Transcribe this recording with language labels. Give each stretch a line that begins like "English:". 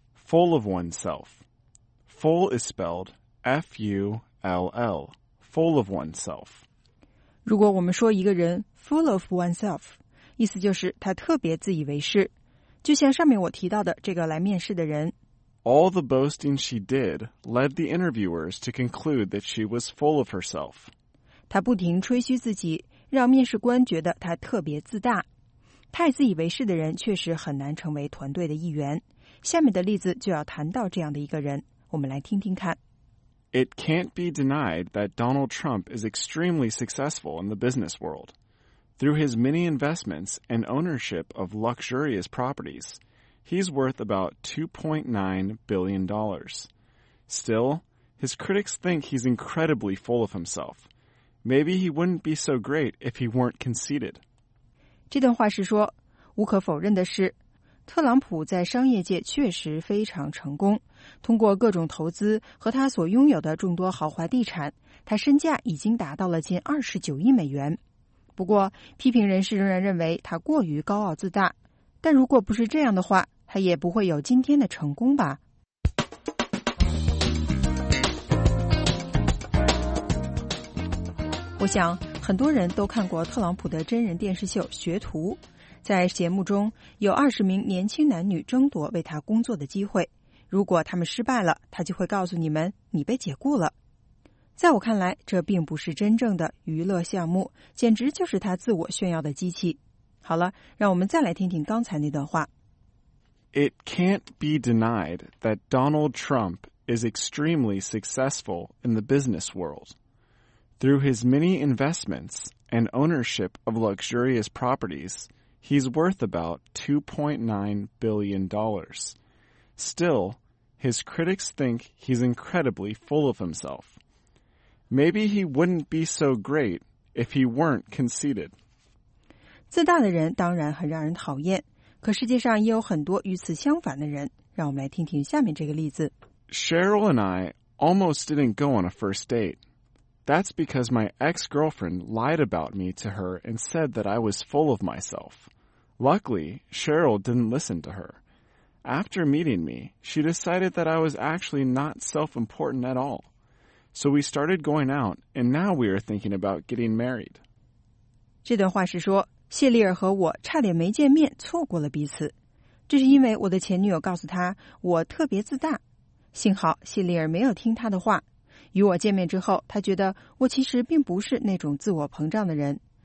English: Full of oneself. Full is spelled F-U-L-L. Full of oneself.
Chinese: 如果我们说一个人 full of oneself, 意思就是他特别自以为是。就像上面我提到的这个来面试的人
English: All the boasting she did led the interviewers to conclude that she was full of herself.
Chinese: 她不停吹嘘自己，让面试官觉得她特别自大。太自以为是的人确实很难成为团队的一员。下面的例子就要谈到这样的一个人，我们来听听看。
English: It can't be denied that Donald Trump is extremely successful in the business world. Through his many investments and ownership of luxurious properties, he's worth about $2.9 billion. Still, his critics think he's incredibly full of himself. Maybe he wouldn't be so great if he weren't conceited.
Chinese: 这段话是说，无可否认的是，特朗普在商业界确实非常成功。通过各种投资和他所拥有的众多豪华地产，他身价已经达到了近$29亿。不过批评人士仍然认为他过于高傲自大，但如果不是这样的话，他也不会有今天的成功吧。我想很多人都看过特朗普的真人电视秀《学徒》，在节目中有20名年轻男女争夺为他工作的机会，如果他们失败了，他就会告诉你们你被解雇了。在我看来，这并不是真正的娱乐项目，简直就是他自我炫耀的机器。好了，让我们再来听听刚才那段话。
English: It can't be denied that Donald Trump is extremely successful in the business world. Through his many investments and ownership of luxurious properties, he's worth about $2.9 billion. Still, his critics think he's incredibly full of himself. Maybe he wouldn't be so great if he weren't conceited.
Chinese: 自大的人当然很让人讨厌，可世界上也有很多与此相反的人。让我们来听听下面这个例子。
English: Cheryl and I almost didn't go on a first date. That's because my ex-girlfriend lied about me to her and said that I was full of myself. Luckily, Cheryl didn't listen to her. After meeting me, she decided that I was actually not self-important at all. So we started going out, and now we are thinking about getting married.
Chinese: 这段话是说，谢丽尔和我差点没见面，错过了彼此。这是因为我的前女友告诉他我特别自大。幸好谢丽尔没有听他的话，与我见面之后，他觉得我其实并不是那种自我膨胀的人。